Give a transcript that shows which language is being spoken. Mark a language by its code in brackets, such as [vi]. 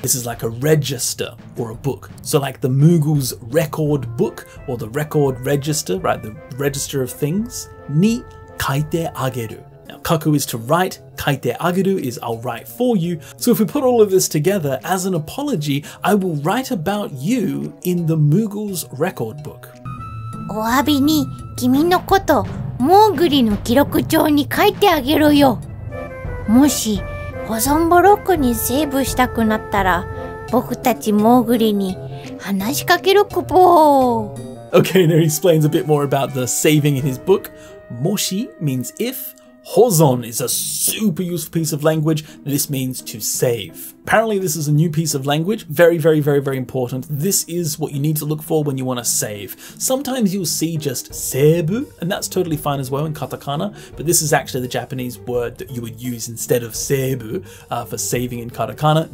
[en] This is like a register or a book. So like the Moogle's record book or the record register, right? The register of things. [ja] Ni kaite ageru. [en] Now kaku is to write, [ja] kaite ageru [en] is I'll write for you. So if we put all of this together as an apology, I will write about you in the Moogle's record book. [ja] お詫びに君のことモーグリの記録帳に書いてあげろよ。もし保存ブロックにセーブしたくなったら、僕たちモーグリに話しかけるくぼー。 [en] Okay, now he explains a bit more about the saving in his book. Moshi means if. Hozon is a super useful piece of language. This means to save. Apparently, this is a new piece of language. Very, very, very, very important. This is what you need to look for when you want to save. Sometimes you'll see just seibu, and that's totally fine as well in katakana, but this is actually the Japanese word that you would use instead of seibu for saving in katakana.